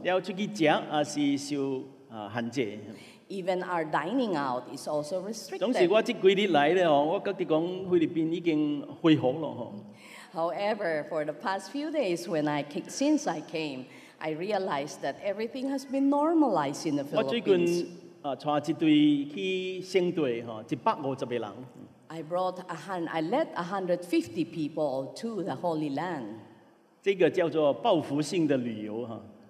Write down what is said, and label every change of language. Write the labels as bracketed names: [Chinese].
[Min Nan Chinese] 要出去吃啊是受啊限制。 [English] Even our dining out is also restricted。 [Min Nan Chinese] 总是我这几日来咧吼，我觉得讲菲律宾已经恢复了吼。 [English] However, for the past few days when since I came. I realized that everything has been normalized in the Philippines. [Min Nan Chinese] 我最近带一队去圣地哈，150个人。 [English] I led 150 people to the Holy Land. [Min Nan Chinese] 这个叫做报复性的旅游哈。